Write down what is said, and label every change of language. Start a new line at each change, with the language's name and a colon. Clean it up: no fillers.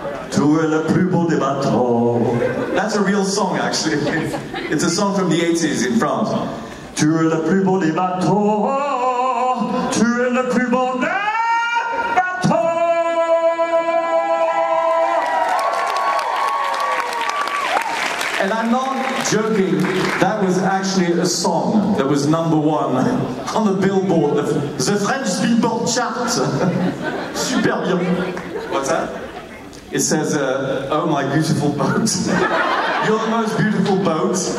French: Tu es le plus beau des bateaux.
English: That's a real song, actually. It's a song from the 80s in France.
French: Tu es le plus beau des bateaux. Tu es le plus beau des bateaux.
English: And I'm not joking. That was actually a song that was number one on the Billboard, the French Billboard chart.
French: Super bien.
English: What's that? It says, oh my beautiful boat. You're the most beautiful boat.